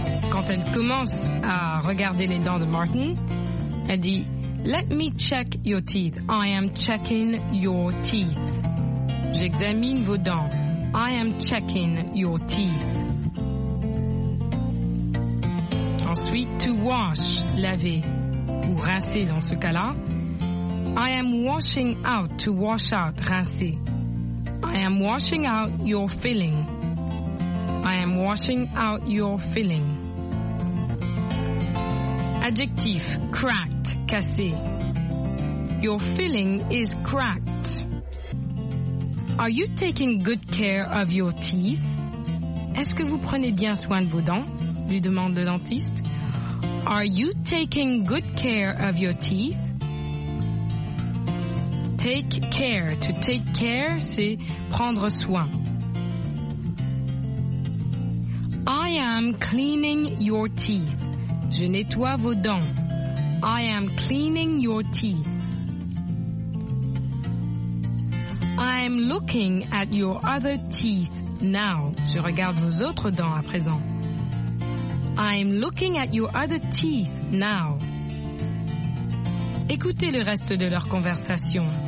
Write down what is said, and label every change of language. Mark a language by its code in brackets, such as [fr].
[fr] Quand elle commence à regarder les dents de Martin, elle dit, [en] Let me check your teeth. I am checking your teeth. [fr] J'examine vos dents. [en] I am checking your teeth. [fr] Ensuite, to wash, laver, ou rincer dans ce cas-là. [en] I am washing out, to wash out, rincer. I am washing out your filling. I am washing out your filling. [fr] Adjectif, cracked, cassé. [en] Your filling is cracked. Are you taking good care of your teeth? [fr] Est-ce que vous prenez bien soin de vos dents? Lui demande le dentiste. [en] Are you taking good care of your teeth? Take care. [fr] To take care, c'est prendre soin. [en] I am cleaning your teeth. [fr] Je nettoie vos dents. [en] I am cleaning your teeth. I am looking at your other teeth now. [fr] Je regarde vos autres dents à présent. [en] I am looking at your other teeth now. [fr] Écoutez le reste de leur conversation.